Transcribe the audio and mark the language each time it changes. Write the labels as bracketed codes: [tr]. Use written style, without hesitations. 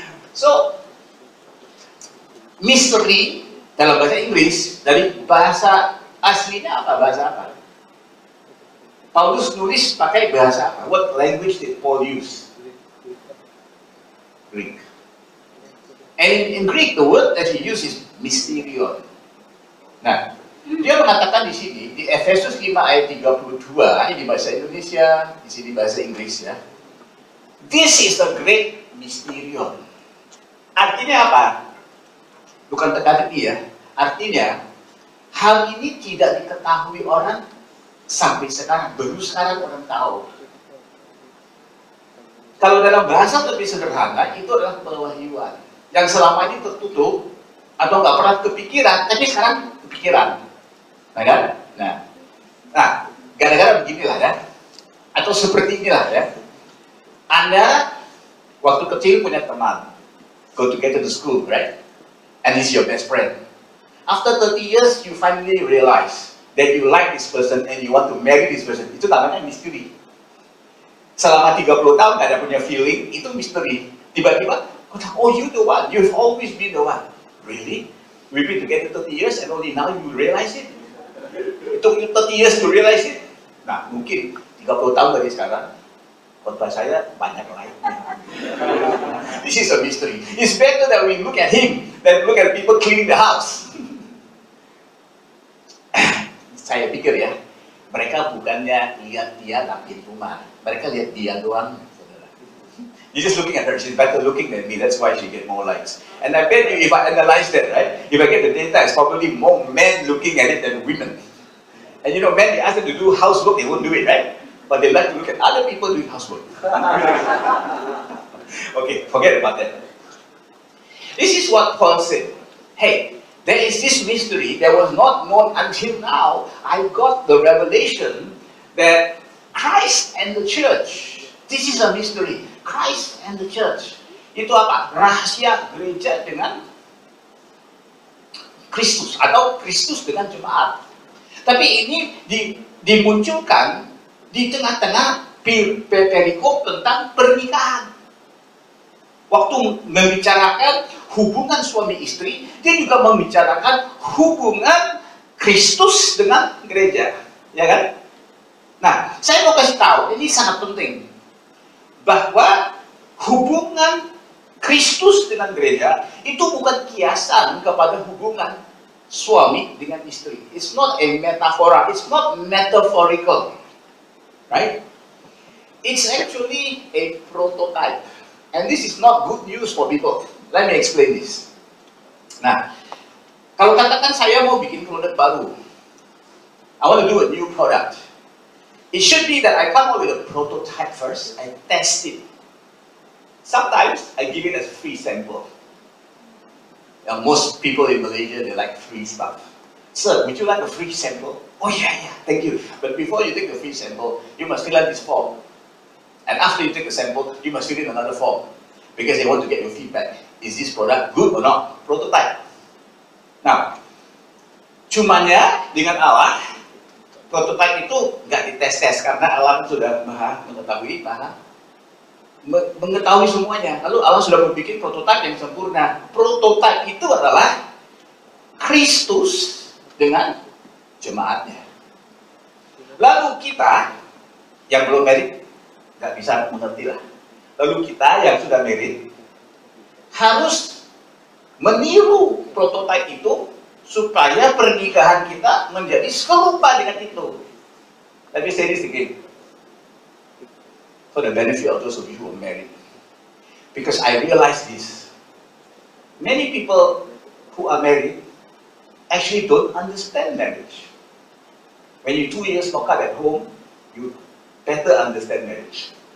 [id] So, mystery dalam bahasa Inggris, dari bahasa aslinya apa? Bahasa apa? Paulus nulis pakai bahasa apa? [en] What language did Paul use? Greek. And in Greek, the word that he used is mysterion. [id] Nah, dia mengatakan di sini, di Efesus 5 ayat 32, ini bahasa Indonesia, di sini bahasa Inggris ya. [en] This is the great mysterion. [id] Artinya apa? Bukan teka-teki ya. Artinya, hal ini tidak diketahui orang sampai sekarang. Baru sekarang orang tahu. Kalau dalam bahasa lebih sederhana, itu adalah pewahyuan. Yang selama ini tertutup atau nggak pernah kepikiran, tapi sekarang kepikiran. Nah, kan? Nah, gara-gara beginilah ya, atau seperti inilah ya. Anda waktu kecil punya teman, [en] go together to school, right? And he's your best friend. After 30 years, you finally realize that you like this person and you want to marry this person. [id] Itu namanya misteri. Selama 30 tahun nggak ada punya feeling, itu misteri. [en] Tiba-tiba, oh, you the one. You've always been the one. Really? We've been together 30 years and only now you realize it? It took you 30 years to realize it? [id] Nah, mungkin 30 tahun dari sekarang, khotbah saya banyak lainnya. [en] This is a mystery. It's better that we look at him than look at people cleaning the house. [id] Saya pikir ya, mereka bukannya lihat dia rapiin rumah. Mereka lihat dia doang. [en] You're just looking at her, she's better looking than me, that's why she get more likes. And I bet you, if I analyze that, right, if I get the data, it's probably more men looking at it than women. And you know, men, they ask them to do housework, they won't do it, right? But they like to look at other people doing housework. Okay, forget about that. This is what Paul said. Hey, there is this mystery that was not known until now. I got the revelation that Christ and the church, this is a mystery. Christ and the church. [id] Itu apa? Rahasia gereja dengan Kristus. Atau Kristus dengan jemaat. Tapi ini dimunculkan di tengah-tengah Perikop tentang pernikahan. Waktu membicarakan hubungan suami istri, dia juga membicarakan hubungan Kristus dengan gereja, ya kan? Nah, saya mau kasih tahu, ini sangat penting, bahwa hubungan Kristus dengan gereja itu bukan kiasan kepada hubungan suami dengan istri. [en] It's not a metaphor, it's not metaphorical, right? It's actually a prototype, and this is not good news for people. Let me explain this. [id] Nah, kalau katakan saya mau bikin produk baru, [en] I want to do a new product. It should be that I come up with a prototype first, I test it. Sometimes I give it as free sample. Now, most people in Malaysia, they like free stuff. Sir, would you like a free sample? Oh yeah, yeah, thank you. But before you take the free sample, you must fill out this form. And after you take the sample, you must fill in another form. Because they want to get your feedback. Is this product good or not? Prototype. [id] Now, cumanya dengan Allah, prototype itu nggak dites-tes karena Allah sudah Maha mengetahui, Maha mengetahui semuanya. Lalu Allah sudah membuat prototype yang sempurna. Prototype itu adalah Kristus dengan jemaatnya. Lalu kita yang belum married nggak bisa mengerti lah. Lalu kita yang sudah married harus meniru prototype itu supaya pernikahan kita menjadi serupa dengan itu. [en] Let me say this again. For the benefit of those of you who are married. Because I realize this. Many people who are married actually don't understand marriage. When you 2 years knock up at home, you better understand marriage.